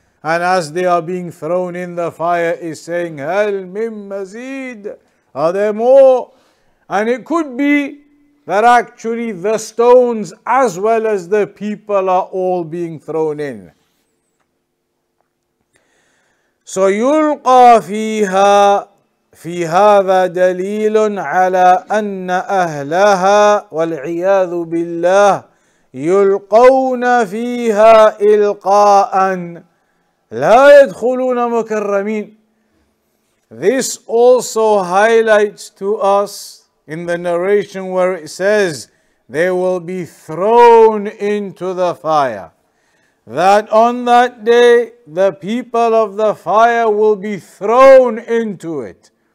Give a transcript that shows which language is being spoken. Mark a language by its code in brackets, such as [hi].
[en] And as they are being thrown in, the fire is saying, [ar] هَلْ مِمْ مَزِيد, [en] are there more? And it could be that actually the stones as well as the people are all being thrown in. [ar] So يلقى فيها, في هذا دليل على أن أهلها والعياذ بالله يلقون فيها إلقاء لا يدخلون مكرمين. [en] This also highlights to us in the narration where it says they will be thrown into the fire. That on that day, the people of the fire will be thrown into it.